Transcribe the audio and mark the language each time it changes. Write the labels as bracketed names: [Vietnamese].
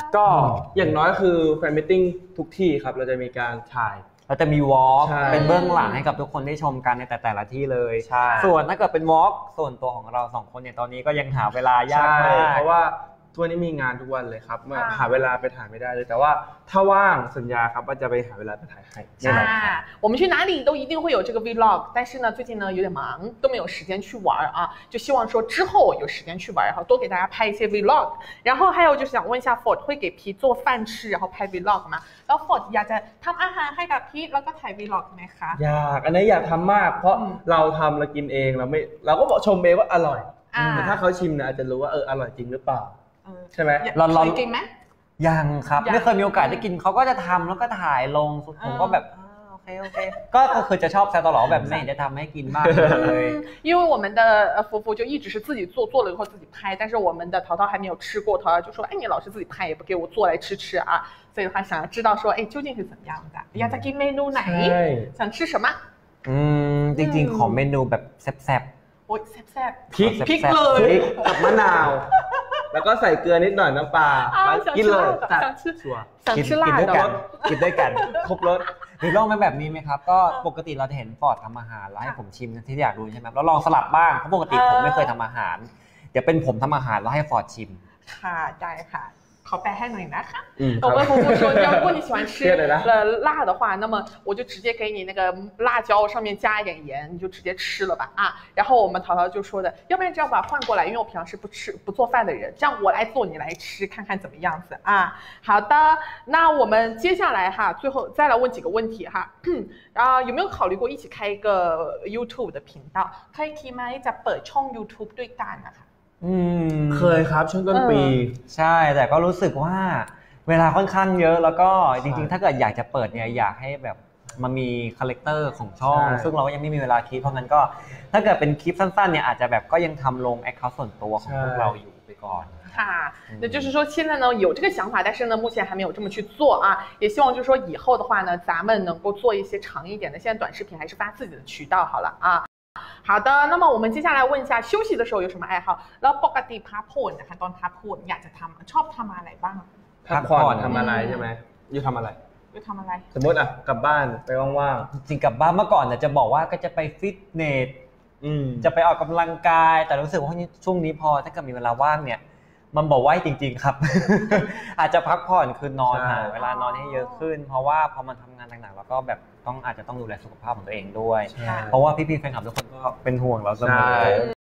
[Thai] ก็อย่างน้อยคือแฟนมีตติ้งทุกที่ครับเราจะมีการถ่าย เราจะมีวอล์กเป็นเบื้องหลังให้กับทุกคนได้ชมกันในแต่ละที่เลยส่วนถ้าเกิดเป็นวอล์กส่วนตัวของเราสองคนเนี่ยตอนนี้ก็ยังหาเวลายากมาก เพราะว่าทุกวันนี้มีงานทุกวันเลยครับมาหาเวลาไปถ่ายไม่ได้เลยแต่ว่าถ้าว่างสัญญาครับว่าจะไปหาเวลาไปถ่ายให้ [Chinese] ใช่我们去哪里都一定会有这个 vlog 但是呢最近呢有点忙都没有时间去玩啊就希望说之后有时间去玩然后多给大家拍一些 vlog 然后还有就是想问一下 Ford 会给皮做饭吃然后拍 vlog 吗 [Thai] แล้ว Ford อยากจะทำอาหารให้กับพีทแล้วก็ถ่าย vlog ไหมคะ อยากอันนี้อยากทำมากเพราะเราทำเรากินเองเราก็บอกชมเมย์ว่าอร่อยแต่ถ้าเขาชิมเนี่ยอาจจะรู้ว่าอร่อยจริงหรือเปล่าใช่ไหม เ รา เคยกินไหม ยังครับไม่เคยมีโอกาสได้กินเขาก็จะทำแล้วก็ถ่ายลงผมก็แบบ โอเค ก็คือจะชอบแซวตลอดแบบไม่จะทำให้กินมากเลย [Chinese] 因为我们的福福就一直是自己做做了以后自己拍但是我们的淘淘还没有吃过淘淘就说哎你老是自己拍也不给我做来吃吃啊所以他想要知道说哎究竟是怎么样的 [Thai] อยากจะกินเมนูไหน [Chinese] 想吃什么 [Thai] จริงๆขอเมนูแบบแซ่บ ๆโอ้ยแซ่บ ๆพริก เลย กับมะนาวแล้วก็ใส่เกลือนิดหน่อยน้ำปลากินเลย จัด ชัวกินได้ กันกินได้กัน ครบรส หรือลองเป็นแบบนี้ไหมครับก็ปกติเราจะเห็นฟอร์ดทำอาหารแล้วให้ผมชิมที่อยากดูใช่ไหมแล้วลองสลับบ้างเพราะปกติผมไม่เคยทำอาหารเดี๋ยวเป็นผมทำอาหารแล้วให้ฟอร์ดชิม ค่ะได้ค่ะขอแปลให้หน่อยนะคะผมไม่พูดว่าถ้าคุณ [Chinese] 喜欢吃辣的话那么我就直接给你那个辣椒上面加一点盐你就直接吃了吧啊然后我们淘淘就说的要不然这样吧换过来因为我平常是不吃不做饭的人这样我来做你来吃看看怎么样子啊好的那我们接下来哈最后再来问几个问题哈然后有没有考虑过一起开一个 YouTube 的频道可以开吗 [Thai] จะเปิดช่อง YouTube ด้วยกันนะคะ เคยครับช่วงต้นปี ใช่แต่ก็รู้สึกว่าเวลาค่อนข้างเยอะแล้วก็จริงๆถ้าเกิดอยากจะเปิดเนี่ยอยากให้แบบมันมีคาแรคเตอร์ของช่องซึ่งเราก็ยังไม่มีเวลาคิดเพราะงั้นก็ถ้าเกิดเป็นคลิปสั้นๆเนี่ยอาจจะแบบก็ยังทำลงแอคเคาท์ส่วนตัวของพวกเราอยู่ไปก่อน [Chinese] ค่ะ那就是说现在呢有这个想法但是呢目前还没有这么去做啊也希望就是说以后的话呢咱们能够做一些长一点的现在短视频还是发自己的渠道好了啊好的那么我们接下来问一下休息的时候有什么爱好 [Thai] แล้วปกติพักผ่อนนะคะตอนพักผ่อนอยากจะทําชอบทําอะไรบ้าง พักผ่อนทําอะไรใช่มั้ยอยู่ทําอะไร อยู่ทําอะไร สมมุติอ่ะกลับบ้านไปว่างๆ จริงกลับบ้านเมื่อก่อนน่ะจะบอกว่าก็จะไปฟิตเนสจะไปออกกําลังกายแต่รู้สึกว่าช่วงนี้พอถ้าเกิดมีเวลาว่างเนี่ยมันบอกว่าจริงๆครับอาจจะพักผ่อนคือนอนหาเวลานอนให้เยอะขึ้นเพราะว่าพอมันทํางานหนักๆแล้วก็แบบต้องอาจจะต้องดูแลสุขภาพของตัวเองด้วยเพราะว่าพี่ๆแฟนคลับทุกคนก็เป็นห่วงเราเสมอ